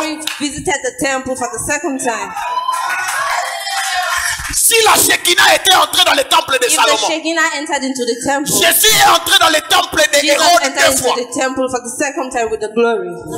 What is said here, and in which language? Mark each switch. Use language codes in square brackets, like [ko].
[en] The glory visited the temple for the second time. [fr] Si la Shekinah était entrée dans le temple de [en] if [fr] Salomon, [en] the Shekinah entered into the temple, [fr] Jésus est entré dans le temple de Hérode deux fois. [en] Jesus entered into the temple for the second time with the glory.